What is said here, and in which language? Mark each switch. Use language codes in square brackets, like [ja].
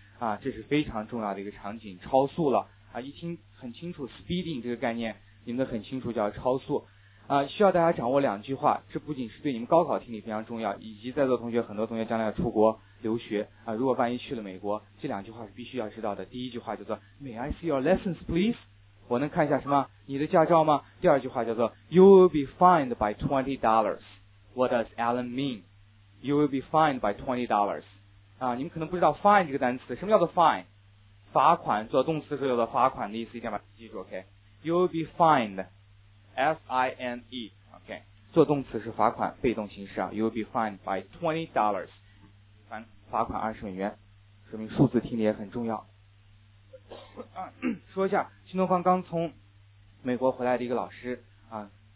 [zh] 啊，这是非常重要的一个场景，超速了啊，一听很清楚 ，speeding 这个概念，你们很清楚叫超速。啊，需要大家掌握两句话，这不仅是对你们高考听力非常重要，以及在座同学很多同学将来要出国留学啊，如果万一去了美国，这两句话是必须要知道的。第一句话叫做 [en] May I see your license, please？ [zh] 我能看一下什么？你的驾照吗？第二句话叫做 [en] You will be fined by $20. What does Alan mean? You will be fined by $20. [zh] 啊，你们可能不知道 fine 这个单词，什么叫做 fine？ 罚款，做动词的时候叫做罚款的意思，一定要把记住 ，OK？ [en] You will be fined。 [zh] F-I-N-E OK 做动词是罚款被动形式啊 [en] You'll be fined by $20 [zh] 罚款$20说明数字听力也很重要啊，说一下新东方刚从美国回来的一个老师啊，